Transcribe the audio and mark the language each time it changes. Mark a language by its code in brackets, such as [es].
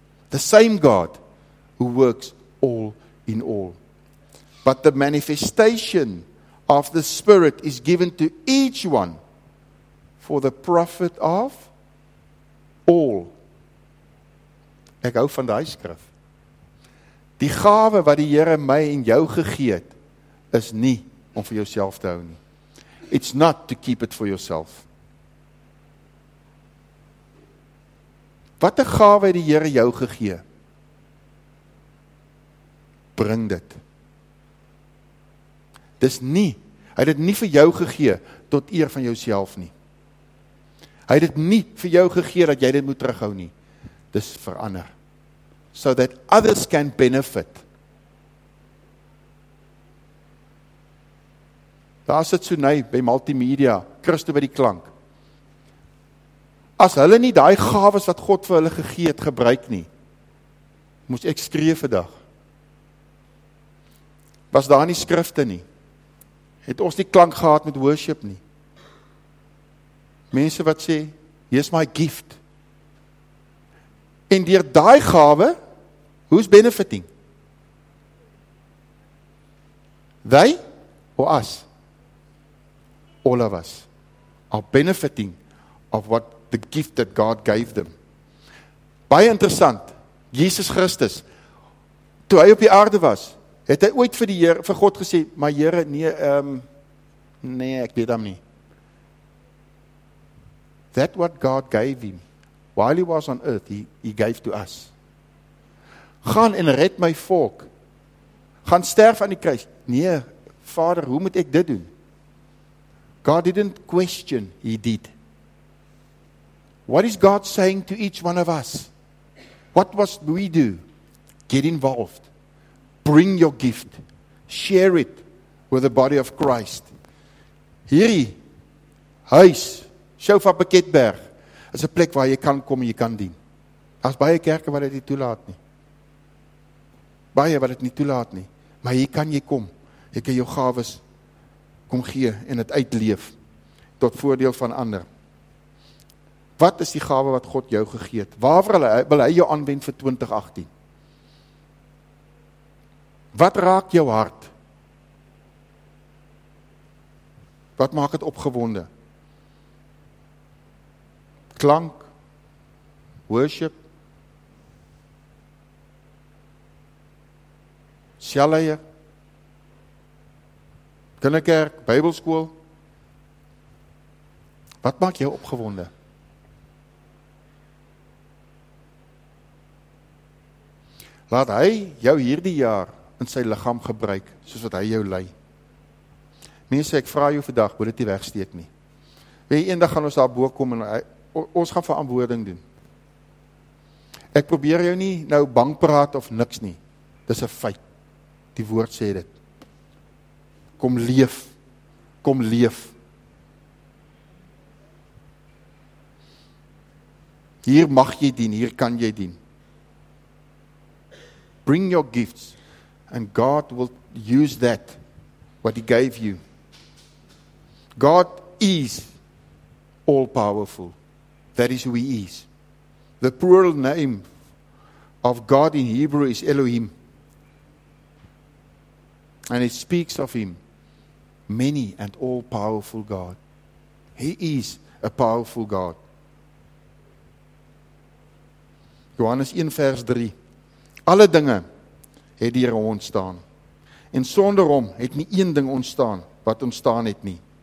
[en] The same God who works all in all. But the manifestation of the Spirit is given to each one for the profit of all. [af] Ek hou van daai skrif. Die gawe wat die Here my en jou gegee het, is nie om vir jouself te hou nie. [en] It's not to keep it for yourself. [af] Wat 'n gawe het die Here jou gegee? Bring dit. Dis nie, hy het dit nie vir jou gegee tot eer van jouself nie. Hy het dit nie vir jou gegee dat jy dit moet terughou nie. Dis vir ander. [en] So that others can benefit. [af] Daar sit Sunay by multimedia, Christo by die klank. As hulle nie daai gawes wat God vir hulle gegee het gebruik nie, moes ek skree vandag. Was daar nie skrifte nie? Het ons nie klank gehad met worship nie? Mense wat sê, [en] here's my gift. [af] En deur daai gawe, [en] who's benefiting? They or us? All of us are benefiting of what the gift that God gave them. [af] Baie interessant, Jesus Christus, toe hy op die aarde was, het hy ooit vir die Here, vir God gesê, maar Here, nee, ek weet hom nie. [en] That what God gave him, while he was on earth, he gave to us. [af] Gaan en red my volk. Gaan sterf aan die kruis. Nee, Vader, hoe moet ek dit doen? [en] God didn't question, he did. What is God saying to each one of us? What must we do? Get involved. Bring your gift. Share it. with the body of Christ. [af] Hierdie huis, Shofar Piketberg, is 'n plek waar jy kan kom en jy kan dien. Daar's baie kerke wat dit nie toelaat nie. Baie wat dit nie toelaat nie. Maar hier kan jy kom. Jy kan jou gawes kom gee en dit uitleef tot voordeel van ander. Wat is die gawe wat God jou gegee het? Waarvoor wil hy jou aanwend vir 2018? Wat raak jou hart? Wat maak het opgewonde? Klank? Worship? Selleie? Kinderkerk? Bybelskool? Wat maak jou opgewonde? Laat hy jou hierdie jaar in sy liggaam gebruik, soos wat hy jou lei. Mense, ek vraag jou vandag, moet dit nie wegsteek nie. Wie eendag gaan ons daar bo kom en ons gaan verantwoording doen. Ek probeer jou nie nou bang praat of niks nie. Dis 'n feit. Die woord sê dit. Kom leef. Kom leef. Hier mag jy dien, hier kan jy dien. [en] Bring your gifts and God will use that what he gave you. God is all powerful. That is who he is. The plural name of God in Hebrew is Elohim. And it speaks of him, many and all powerful God. He is a powerful God. [af] Johannes 1 vers 3. Alle dinge het deur hom ontstaan. En sonder hom het nie een ding ontstaan wat ontstaan het nie.